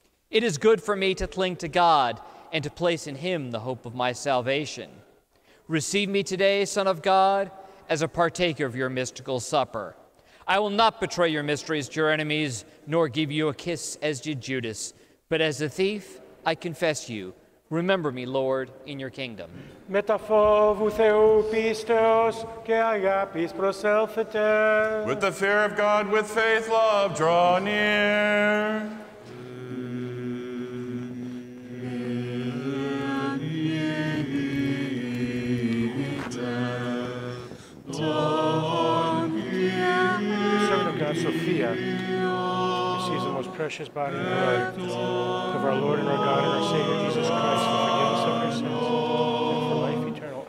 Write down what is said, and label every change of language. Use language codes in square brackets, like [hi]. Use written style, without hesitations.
[en] It is good for me to cling to God and to place in Him the hope of my salvation. Receive me today, Son of God, as a partaker of Your mystical supper. I will not betray Your mysteries to Your enemies, nor give You a kiss as did Judas, but as a thief, I confess You. Remember me, Lord, in Your kingdom. [el] Μεταφόβου Θεού πίστεως και αγάπης προσέλθετε. [en] With the fear of God, with faith, love, draw near. Sophia, receives the most precious body and blood of our Lord and our God and our Savior Jesus Christ for forgiveness of our sins and for life eternal.